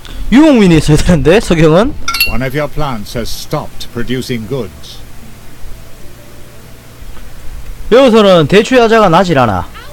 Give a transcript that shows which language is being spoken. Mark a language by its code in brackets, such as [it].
[ko] 유목민이 있어야 되는데 석영은. [en] One of your plants has stopped producing goods. [ko] 여기서는 대추 야자가 나질 않아.